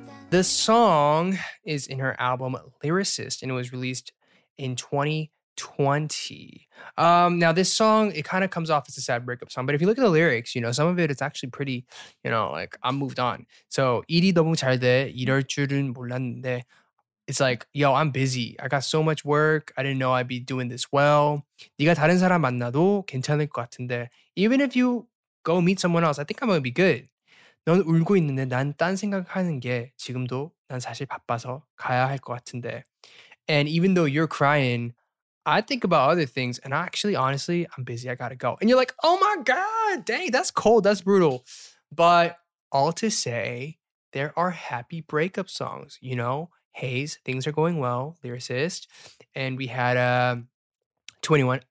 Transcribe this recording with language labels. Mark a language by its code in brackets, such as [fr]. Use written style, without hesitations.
[en] The song is in her album Lyricist and it was released in 2020. Now this song, it kind of comes off as a sad breakup song. But if you look at the lyrics, you know, some of it, it's actually pretty, you know, like I'm moved on. [ko] So, 일이 너무 잘 돼, 이럴 줄은 몰랐는데. [en] It's like, yo, I'm busy. I got so much work. I didn't know I'd be doing this well. [ko] 네가 다른 사람 만나도 괜찮을 것 같은데. [en] Even if you go meet someone else, I think I'm going to be good. [ko] 넌 울고 있는데 난 딴 생각하는 게 지금도 난 사실 바빠서 가야 할 것 같은데. [en] And even though you're crying, I think about other things. And actually, honestly, I'm busy. I gotta go. And you're like, oh my God, dang, that's cold. That's brutal. But all to say, there are happy breakup songs. You know, Haze, Things Are Going Well, Lyricist. And we had 21.